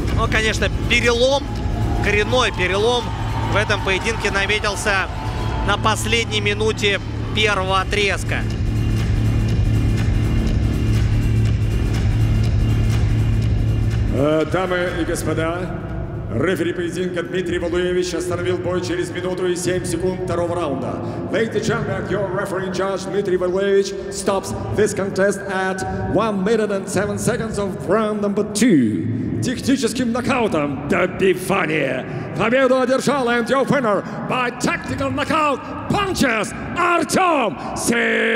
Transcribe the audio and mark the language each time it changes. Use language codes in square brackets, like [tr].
[ru] конечно, перелом, коренной перелом в этом поединке наметился на последней минуте первого отрезка. Дамы и господа, рефери поединка Дмитрий Валуевич остановил бой через минуту и 7 секунд второго раунда. [en] Ladies and gentlemen, your referee in charge, Дмитрий Валуевич, stops this contest at 1 minute and 7 seconds of round number 2. [ru] Техническим нокаутом добивание. Победу одержал [en] and your winner by technical knockout punches Артем Симфонов!